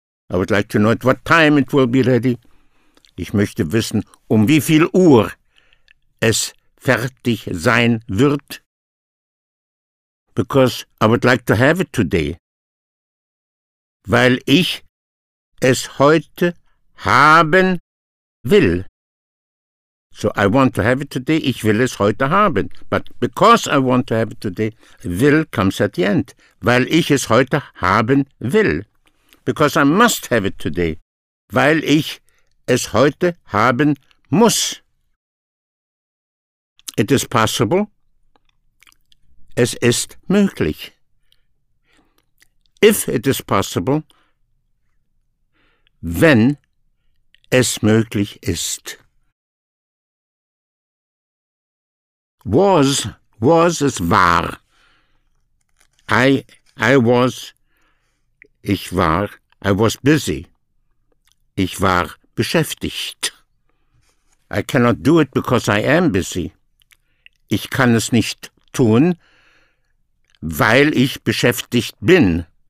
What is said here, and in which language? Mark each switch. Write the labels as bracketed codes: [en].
[en] I would like to know at what time it will be ready. [de] Ich möchte wissen, um wie viel Uhr es fertig sein wird. [en] Because I would like to have it today. [de] Weil ich es heute haben will. [en] So I want to have it today, [de] ich will es heute haben. [en] But because I want to have it today, will comes at the end. [de] Weil ich es heute haben will. [en] Because I must have it today. [de] Weil ich es heute haben muss. [en] It is possible. [de] Es ist möglich. [en] If it is possible. [de] Wenn es möglich ist. Was es war. [en] I was busy. [de] Ich war beschäftigt. [en] I cannot do it because I am busy. [de] Ich kann es nicht tun, weil ich beschäftigt bin.